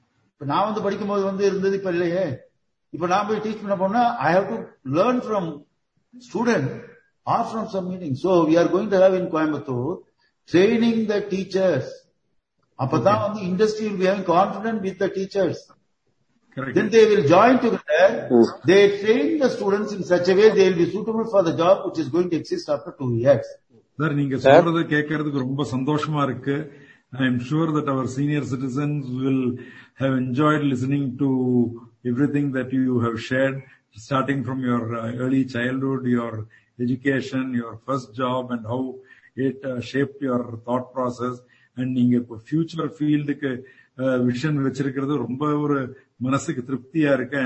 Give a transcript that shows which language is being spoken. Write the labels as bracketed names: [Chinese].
[Tamil] இப்போ நான் வந்து படிக்கும்போது வந்து இருந்தது இப்ப இல்லையே. இப்போ நான் போய் டீச் பண்ண போனா [English] I have to learn from student or from some meeting. So we are going to have in Coimbatore training the teachers [Tamil] அப்பதான் வந்து [English] Industry will be confident with the teachers. Then they will join together. They train the students in such a way they will be suitable for the job which is going to exist after 2 years. [Tamil] Sir, நீங்க சொல்றத கேக்குறதுக்கு ரொம்ப சந்தோஷமா இருக்கு. [English] I am sure that our senior citizens will have enjoyed listening to everything that you have shared, starting from your early childhood, your education, your first job, and how it shaped your thought process. [Tamil] And நீங்க இப்ப future field க்கு vision வச்சிருக்கிறது ரொம்ப ஒரு மனசுக்கு திருப்தியா இருக்கு.